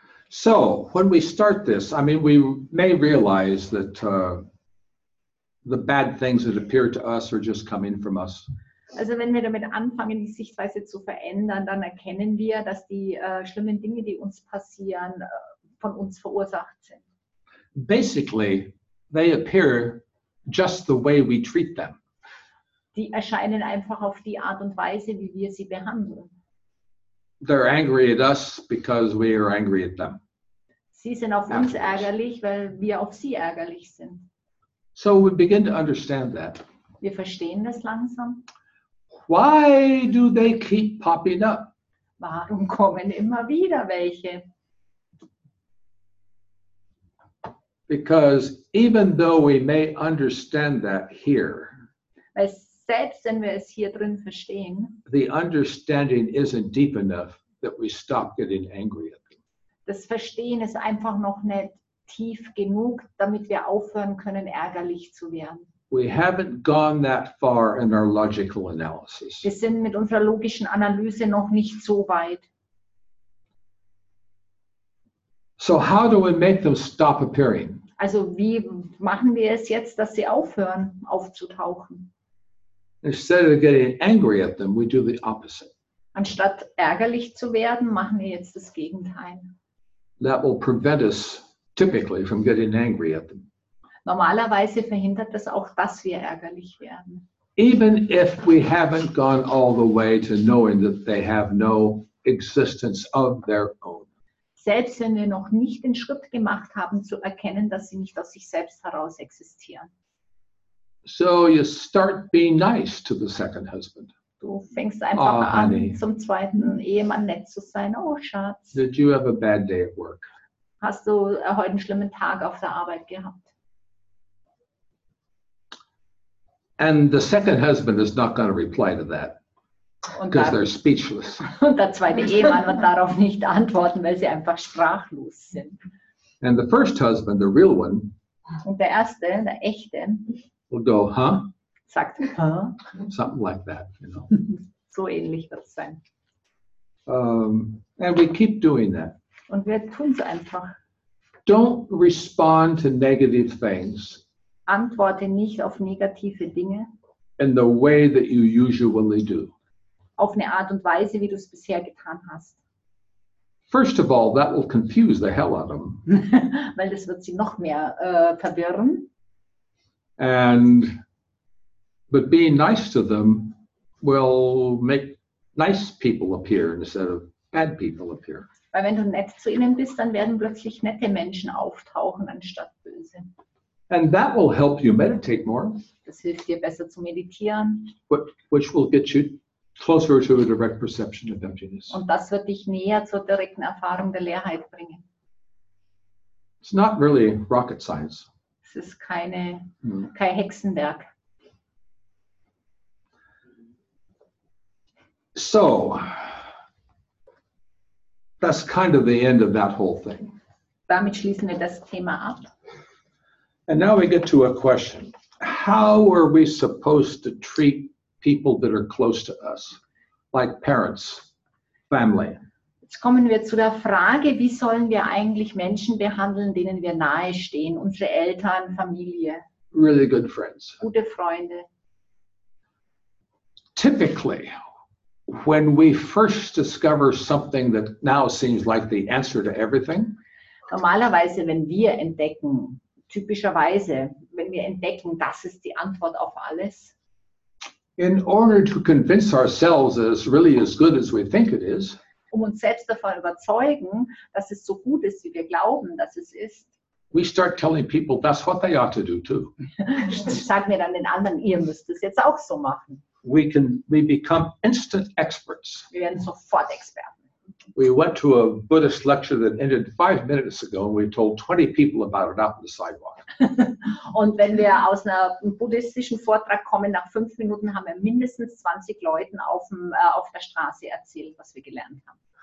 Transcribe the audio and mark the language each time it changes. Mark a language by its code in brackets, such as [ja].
[en] So, when we start this, I mean, we may realize that the bad things that appear to us are just coming from us. [de] Also wenn wir damit anfangen, die Sichtweise zu verändern, dann erkennen wir, dass die schlimmen Dinge, die uns passieren, von uns verursacht sind. [en] Basically, they appear just the way we treat them. [de] Die erscheinen einfach auf die Art und Weise, wie wir sie behandeln. [en] They're angry at us because we are angry at them. [de] Sie sind auf uns ärgerlich, weil wir auf sie ärgerlich sind. [en] So we begin to understand that. [de] Wir verstehen das langsam. [en] Why do they keep popping up? [de] Warum kommen immer wieder welche? [en] Because even though we may understand that here, [de] weil selbst wenn wir es hier drin verstehen, [en] the understanding isn't deep enough that we stop getting angry at them. [de] Das Verstehen ist einfach noch nicht tief genug, damit wir aufhören können, ärgerlich zu werden. [en] We haven't gone that far in our logical analysis. [de] Wir sind mit unserer logischen Analyse noch nicht so weit. [en] So how do we make them stop appearing? [de] Also wie machen wir es jetzt, dass sie aufhören aufzutauchen? [en] Instead of getting angry at them, we do the opposite. [de] Anstatt ärgerlich zu werden, machen wir jetzt das Gegenteil. [en] That will prevent us typically from getting angry at them. [de] Normalerweise verhindert das auch, dass wir ärgerlich werden. [en] Even if we haven't gone all the way to knowing that they have no existence of their own. [de] Selbst wenn wir noch nicht den Schritt gemacht haben, zu erkennen, dass sie nicht aus sich selbst heraus existieren. [en] So you start being nice to the second husband. [de] Du fängst einfach an, zum zweiten Ehemann nett zu sein. Oh, Schatz. [en] Did you have a bad day at work? [de] Hast du heute einen schlimmen Tag auf der Arbeit gehabt? [en] And the second husband is not going to reply to that. Because they're speechless. [de] Und der zweite Ehemann wird darauf nicht antworten, weil sie einfach sprachlos sind. [en] And the first husband, the real one. [de] Und der erste, der echte. [en] Will go, huh? [de] Sagt, huh? [en] Something like that, you know. [de] So ähnlich wird es sein. [en] And we keep doing that. [de] Und wir tun es einfach. [en] Don't respond to negative things. [de] Antworte nicht auf negative Dinge. [en] In the way that you usually do. [de] Auf eine Art und Weise, wie du es bisher getan hast. [en] First of all, that will confuse the hell out of them. [de] Weil das wird sie noch mehr verwirren. [en] But being nice to them will make nice people appear instead of bad people appear. [de] Weil wenn du nett zu ihnen bist, dann werden plötzlich nette Menschen auftauchen anstatt böse. [en] And that will help you meditate more. [de] Das hilft dir besser zu meditieren. [en] Which will get you closer to a direct perception of emptiness. [de] Und das wird dich näher zur direkten Erfahrung der Leerheit bringen. [en] It's not really rocket science. [de] Es ist kein Hexenwerk. [en] So. That's kind of the end of that whole thing. [de] Damit schließen wir das Thema ab. [en] And now we get to a question. How are we supposed to treat people that are close to us, like parents, family? [de] Jetzt kommen wir zu der Frage, wie sollen wir eigentlich Menschen behandeln, denen wir nahe stehen, unsere Eltern, Familie? [en] Really good friends. [de] Gute Freunde. [en] Typically, when we first discover something that now seems like the answer to everything. [de] Normalerweise, wenn wir entdecken, typischerweise, wenn wir entdecken, das ist die Antwort auf alles. [en] In order to convince ourselves that it's really as good as we think it is. [de] Um uns selbst davon überzeugen, dass es so gut ist, wie wir glauben, dass es ist. [en] We start telling people that's what they ought to do too. [de] Sag mir dann den anderen, ihr müsst es jetzt auch so machen. [en] We become instant experts. [de] Wir werden sofort Experten. [en] We went to a Buddhist lecture that ended 5 minutes ago and we told 20 people about it out on the sidewalk. [de] Und wenn wir aus einem buddhistischen Vortrag kommen, nach 5 Minuten haben wir mindestens 20 Leuten auf der Straße erzählt, was wir gelernt haben.